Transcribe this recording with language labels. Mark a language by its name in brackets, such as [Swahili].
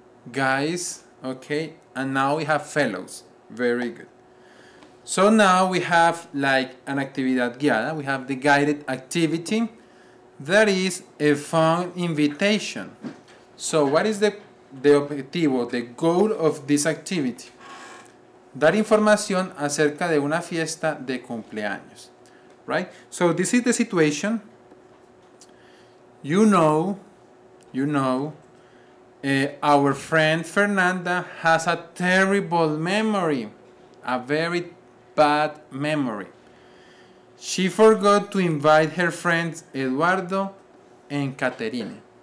[English] Guys, okay, and now we have fellows. Very good. So now we have like an [Spanish] actividad guiada. [English] We have the guided activity. That is a phone invitation. So what is the objetivo, the goal of this activity? [Spanish] Dar información acerca de una fiesta de cumpleaños. [English] Right? So this is the situation. You know, our friend Fernanda has a terrible memory, a very bad memory. She forgot to invite her friends Eduardo and Caterine.